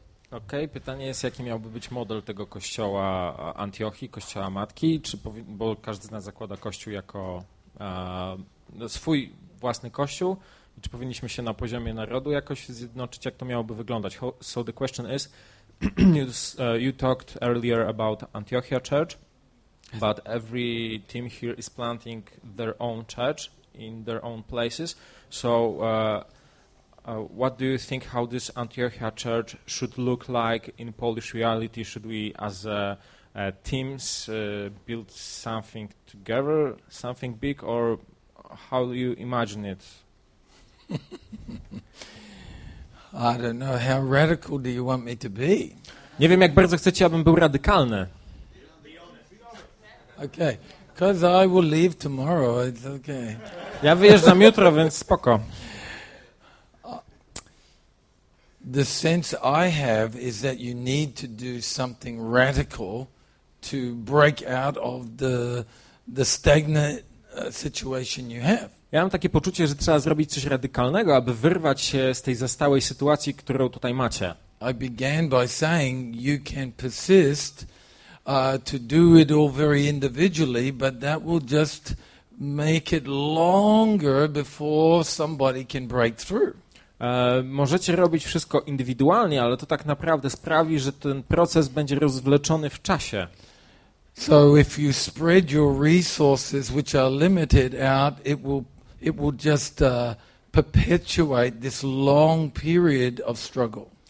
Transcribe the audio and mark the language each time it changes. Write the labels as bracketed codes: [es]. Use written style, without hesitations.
[pl] Okej, okay, pytanie jest, jaki miałby być model tego kościoła Antiochii, kościoła matki, czy bo każdy z nas zakłada kościół jako swój własny kościół, i czy powinniśmy się na poziomie narodu jakoś zjednoczyć, jak to miałoby wyglądać? [en] So the question is, you talked earlier about Antiochia Church, but every team here is planting their own church in their own places, so... what do you think how this Antiochia church should look like in Polish reality? Should we as teams build something together, something big, or how do you imagine it? I don't know. How radical do you want me to be? [pl] Nie wiem, jak bardzo chcecie, abym był radykalny. [en] Okay, because I will leave tomorrow. It's okay. [pl] Ja wyjeżdżam jutro, więc spoko. [en] The sense I have is that you need to do something radical to break out of the stagnant situation you have. [pl] Ja mam takie poczucie, że trzeba zrobić coś radykalnego, aby wyrwać się z tej zastałej sytuacji, którą tutaj macie. [en] I began by saying you can persist to do it all very individually, but that will just make it longer before somebody can break through. [pl] Możecie robić wszystko indywidualnie, ale to tak naprawdę sprawi, że ten proces będzie rozwleczony w czasie. [en] So if you spread your resources which are limited out, it will just perpetuate this long period of struggle.